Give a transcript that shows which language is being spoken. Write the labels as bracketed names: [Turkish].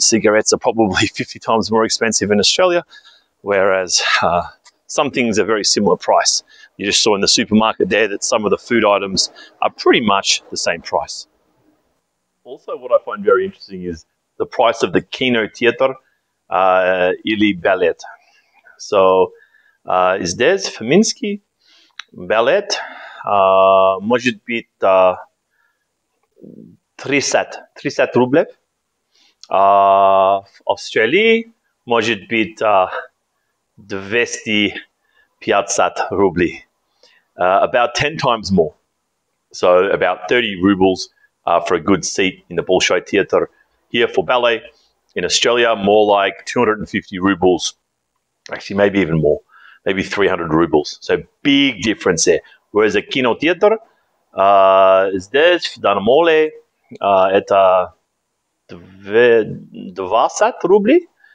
[English] Cigarettes are probably 50 times more expensive in Australia, whereas some things are very similar price. You just saw in the supermarket there that some of the food items are pretty much the same price. Also, what I find very interesting is the price of the Kino Theater, Ili Ballet. [Russian] So, здесь, в Минске, балет может быть 300 рублей. В Австралии может быть 250 рублей. [English] About 10 times more. So, about 30 rubles for a good seat in the Bolshoi Theatre here for ballet. In Australia, more like 250 rubles. Actually, maybe even more, maybe 300 rubles. So big difference there. Whereas the Kino Theater, [Russian] здесь, в данном моле, это 20 рублей.